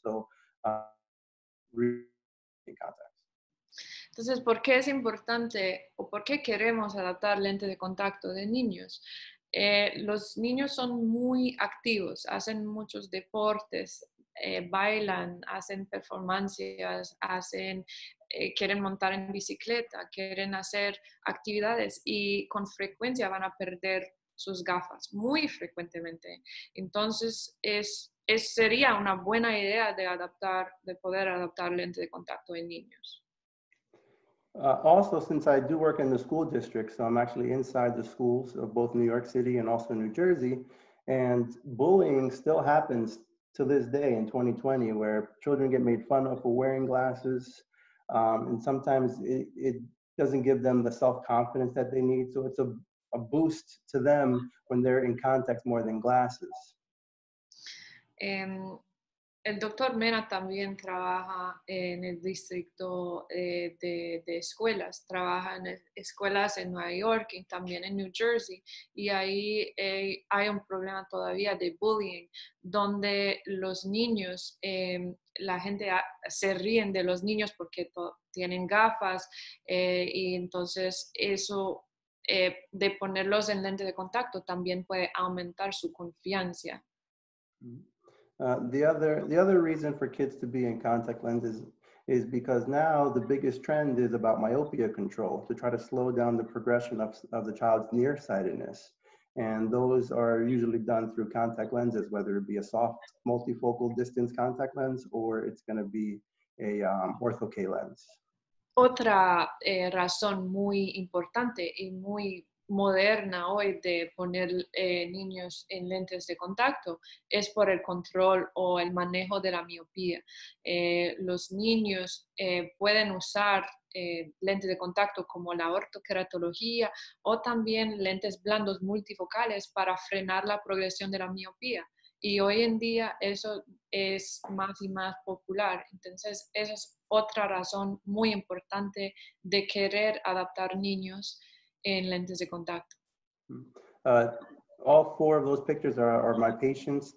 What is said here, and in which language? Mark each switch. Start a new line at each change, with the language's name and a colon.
English: So really in contact.
Spanish: Entonces, ¿por qué es importante o por qué queremos adaptar lentes de contacto de niños? Los niños son muy activos, hacen muchos deportes, bailan, hacen performances, hacen, quieren montar en bicicleta, quieren hacer actividades y con frecuencia van a perder sus gafas, muy frecuentemente. Entonces, sería una buena idea de poder adaptar lentes de contacto en niños.
English: Also, since I do work in the school district, so I'm actually inside the schools of both New York City and also New Jersey, and bullying still happens to this day in 2020, where children get made fun of for wearing glasses, and sometimes it doesn't give them the self-confidence that they need, so it's a boost to them when they're in contact more than glasses.
Spanish: El doctor Mena también trabaja en el distrito de escuelas. Trabaja en escuelas en Nueva York y también en New Jersey. Y ahí hay un problema todavía de bullying, donde los niños, la gente se ríen de los niños porque tienen gafas. Y entonces eso de ponerlos en lente de contacto también puede aumentar su confianza.
English: The other reason for kids to be in contact lenses is because now the biggest trend is about myopia control, to try to slow down the progression of the child's nearsightedness. And those are usually done through contact lenses, whether it be a soft multifocal distance contact lens or it's going to be a ortho-K lens.
Spanish: Otra razón muy importante y muy moderna hoy de poner niños en lentes de contacto es por el control o el manejo de la miopía. Los niños pueden usar lentes de contacto como la ortokeratología o también lentes blandos multifocales para frenar la progresión de la miopía. Y hoy en día eso es más y más popular. Entonces, esa es otra razón muy importante de querer adaptar niños en lentes de contacto.
English: All four of those pictures are my patients.